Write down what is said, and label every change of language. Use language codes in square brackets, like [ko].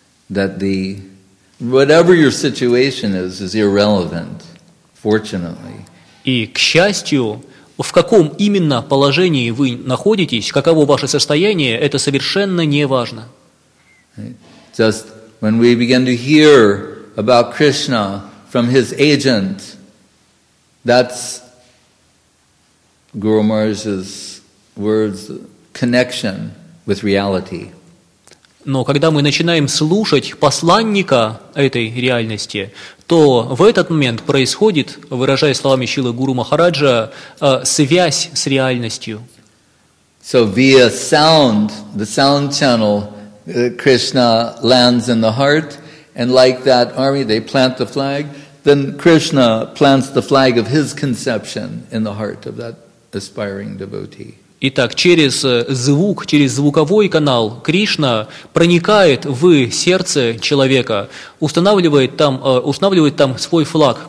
[en] That the whatever your situation is irrelevant, fortunately. [ru] И к счастью, в каком именно положении вы находитесь, каково ваше состояние, это совершенно не важно. [en] Just when we begin to hear about Krishna from his agent, that's Guru Maharaj's words connection with reality. [ru] Но когда мы начинаем слушать посланника этой реальности, то в этот момент происходит, выражая словами Шрилы Гуру Махараджа, связь с реальностью. [en] So via sound, the sound channel, Krishna lands in the heart, and like that army, they plant the flag. Then Krishna plants the flag of his conception in the heart of that aspiring devotee. [ru] Итак, через звук, через звуковой канал Кришна проникает в сердце человека, устанавливает там свой флаг.